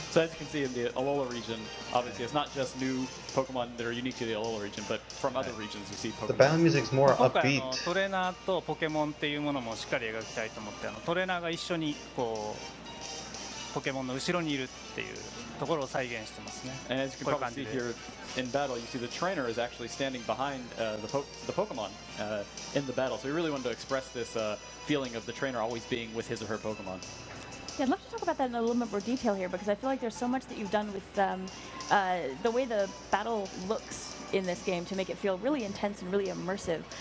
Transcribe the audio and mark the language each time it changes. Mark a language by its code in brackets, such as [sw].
[en] So as you can see in the Alola region, obviously it's not just new Pokemon that are unique to the Alola region, but from other regions you see Pokemon. The battle music's more upbeat. [ja] トレーナーとポケモンっていうものもしっかり描きたいと思って、トレーナーが一緒にこうポケモンの後ろにいるっていうところを再現してますね。 [en] And as you can probably see here in battle, you see the trainer is actually standing behind the Pokemon in the battle. So we really wanted to express this feeling of the trainer always being with his or her Pokemon. Yeah, I'd love to talk about that in a little bit more detail here because I feel like there's so much that you've done with the way the battle looks in this game to make it feel really intense and really immersive.